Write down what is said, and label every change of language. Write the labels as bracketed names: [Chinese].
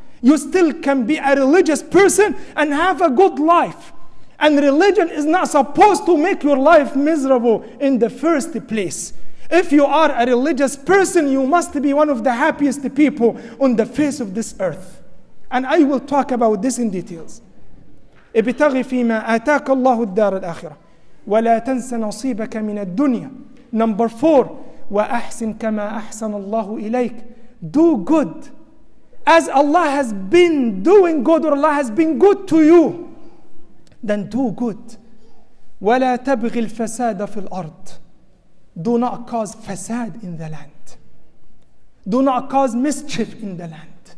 [English] You still can be a religious person and have a good life. And religion is not supposed to make your life miserable in the first place. If you are a religious person, you must be one of the happiest people on the face of this earth. And I will talk about this in details. [Arabic] ابتغي فيما آتاك الله الدار الآخرة. ولا تنس نصيبك من الدنيا. [English] Number four. [Arabic] وأحسن كما أحسن الله إليك. [English] Do good as Allah has been doing good, or Allah has been good to you. then do good. [Arabic] وَلَا تَبْغِ الْفَسَادَ فِي الْأَرْضِ. [English] Do not cause fasad in the land. Do not cause mischief in the land.